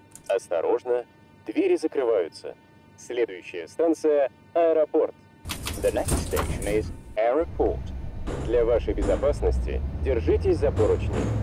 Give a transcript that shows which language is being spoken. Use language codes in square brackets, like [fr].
[ru] Осторожно, двери закрываются. Следующая станция – аэропорт. [en] The next station is airport. [ru] Для вашей безопасности держитесь за поручни.